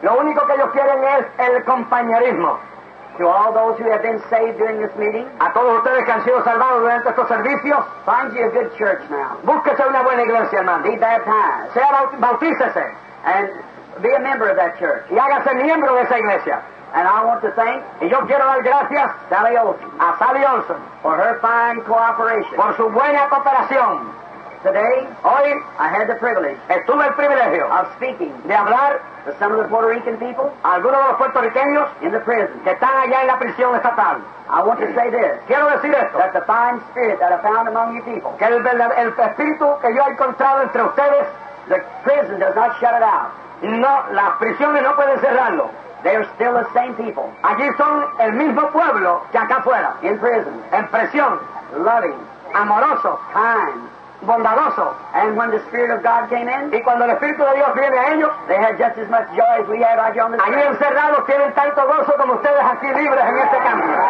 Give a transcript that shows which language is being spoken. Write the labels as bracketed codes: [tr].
[es] Lo único que ellos quieren es el compañerismo. [en] To all those who have been saved during this meeting. [es] A todos ustedes que han sido salvados durante estos servicios. [en] Find you a good church now. [es] Búsquese una buena iglesia, hermano. [en] Be baptized. [es] Sea bautícese. [en] And be a member of that church. [es] Y hágase miembro de esa iglesia. [en] And I want to thank. [es] Y yo quiero dar gracias. [en] Sally Olson. [es] A Sally Olson. [en] For her fine cooperation. [es] Por su buena cooperación. [en] Today. [es] Hoy. [en] I had the privilege. [es] Estuve el privilegio. [en] Of speaking. [es] De hablar. [en] To some of the Puerto Rican people. [es] Algunos de los puertorriqueños. [en] In the prison. [es] Que están allá en la prisión estatal. [en] I want to say this. [es] Quiero decir esto. [en] That the fine spirit that I found among you people. [es] Que el espíritu que yo he encontrado entre ustedes. [en] The prison does not shut it out. [es] No, las prisiones no pueden cerrarlo. [en] They are still the same people. [es] Allí son el mismo pueblo que acá afuera. [en] In prison. [es] En prisión. [en] Loving. [es] Amoroso. [en] Kind. [es] Bondadoso. [en] And when the Spirit of God came in. [es] Y cuando el Espíritu de Dios viene a ellos. [en] They had just as much joy as we had out here on the street. [es] Allí encerrados tienen tanto gozo como ustedes aquí libres en este campo.